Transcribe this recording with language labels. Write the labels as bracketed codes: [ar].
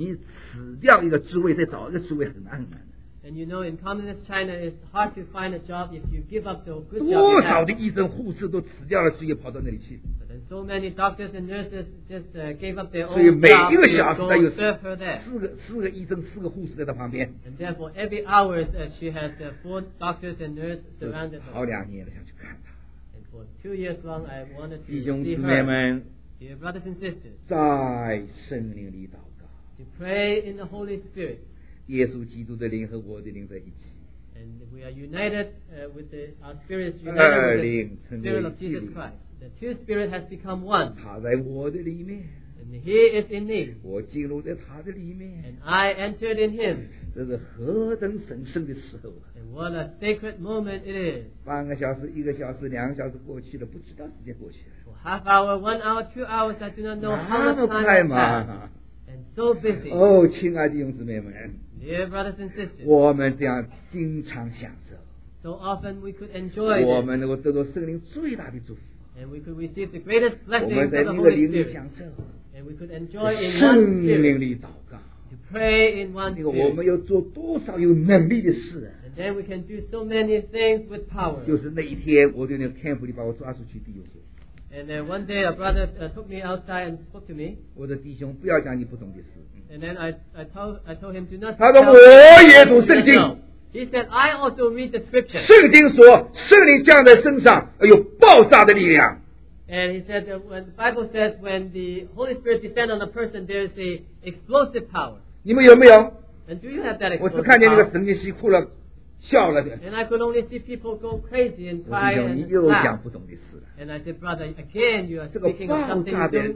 [zh] 所以医生在那个国家里面，你辞掉一个职位，再找一个职位很难很难。 [en] And you know, in communist China, it's hard to find a job if you give up the good job. [zh] 多少的医生、护士都辞掉了职业，跑到那里去。 [en] So many doctors and nurses just gave up their own jobs to serve her there. [zh] 四个医生、四个护士在她旁边。 [en] And therefore, every hour she has four doctors and nurses surrounded her. [zh] 好两年了，想去看她。 [en] And for 2 years long, I wanted to see her. [zh] 弟兄姊妹们, [en] dear brothers and sisters, [zh] 在圣灵里祷告。 [en] To pray in the Holy Spirit. [zh] 耶稣基督的灵和我的灵在一起。 [en] And we are united with our spirits, united with the Spirit of Jesus Christ. The two spirits have become one. [zh] 他在我的里面, [en] and he is in me. [zh] 我进入在他的里面, [en] and I entered in him. [zh] 这是何等神圣的时候, [en] and what a sacred moment it is. [zh] 半个小时、一个小时、两个小时过去了，不知道时间过去了。 [en] For half hour, 1 hour, 2 hours, I do not know how much time has passed. And so busy. [zh] Oh, 亲爱的弟兄姊妹们, [en] dear brothers and sisters, [zh] 我们这样经常享受, [en] so often we could enjoy it. [zh] 我们能够得到圣灵最大的祝福。 [en] And we could receive the greatest blessing of the Holy Spirit. And we could enjoy in one spirit. To pray in one spirit. And then we can do so many things with power. And then one day a brother took me outside and spoke to me. [zh] 我的弟兄不要讲你不懂的事。 [en] And then I told him, do not tell me what you know. He said, I also read the scripture. [zh] 圣经说圣灵降在身上有爆炸的力量。 [en] And he said that when the Bible says when the Holy Spirit descends on a person, there is an explosive power. [zh] 你们有没有? [en] And do you have that explosive [zh] 我只看见那个神经系哭了,笑了, [en] and I could only see people go crazy and cry and laugh. And I said, brother, again, you are speaking of something you don't know.